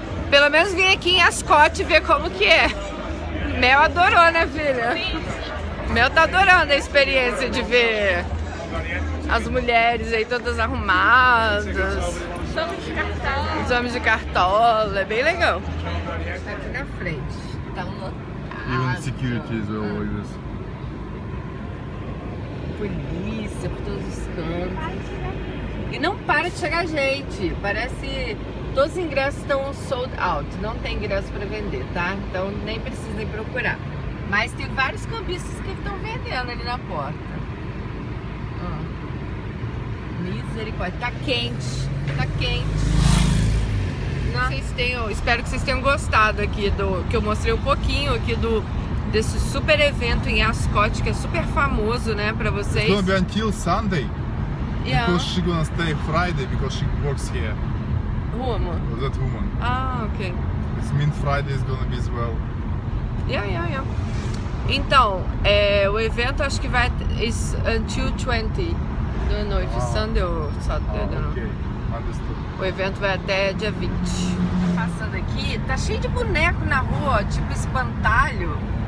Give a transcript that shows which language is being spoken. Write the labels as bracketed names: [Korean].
[Portuguese] Pelo menos vir aqui em Ascot e ver como que é. Mel adorou, né, filha? Mel tá adorando a experiência de ver as mulheres aí todas arrumadas. Os homens de cartola. Os homens de cartola, é bem legal. Tá aqui na frente. Tá lotado. [English] Even security is always. [Portuguese] Polícia por todos os cantos. E não para de chegar gente. Parece que todos os ingressos estão sold out. Não tem ingresso para vender, tá? Então nem precisa nem procurar. Mas tem vários cambistas que estão vendendo ali na porta. Misericórdia. Tá quente. Tá quente. Não. Vocês tenham, espero que vocês tenham gostado aqui do que eu mostrei um pouquinho aqui do. Desse super evento em Ascot, que é super famoso, né, pra vocês. [English] It's going to be until Sunday. Yeah. Because she's going to stay Friday, because she works here. Woman. Oh, that woman. Ah, ok. It means Friday is going to be as well. Yeah, yeah, yeah. [Portuguese] Então, é, o evento acho que vai... [English] It's until 20 [Portuguese] da noite. [English] Ah. Sunday or Saturday, ah, ok. Understood. [Portuguese] O evento vai até dia 20. Passando aqui, tá cheio de boneco na rua, tipo espantalho.